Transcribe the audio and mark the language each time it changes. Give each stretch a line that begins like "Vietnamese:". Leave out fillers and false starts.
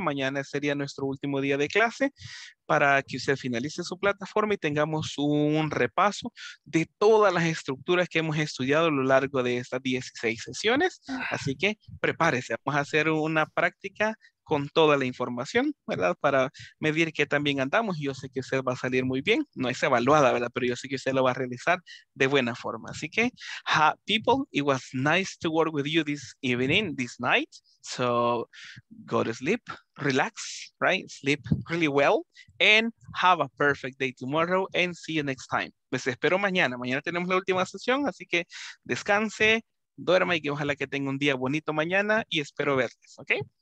Spanish: Mañana sería nuestro último día de clase para que usted finalice su plataforma y tengamos un repaso de todas las estructuras que hemos estudiado a lo largo de estas 16 sesiones. Así que prepárese, vamos a hacer una práctica con toda la información, ¿verdad? Para medir qué tan bien andamos. Yo sé que usted va a salir muy bien. No es evaluada, ¿verdad? Pero yo sé que usted lo va a realizar de buena forma. Así que,
English: people, it was nice to work with you this evening, this night. So, go to sleep, relax, right? Sleep really well and have a perfect day tomorrow and see you next time.
Spanish: Pues espero mañana. Mañana tenemos la última sesión, así que descanse, duerma y que ojalá que tenga un día bonito mañana y espero verles, ¿ok?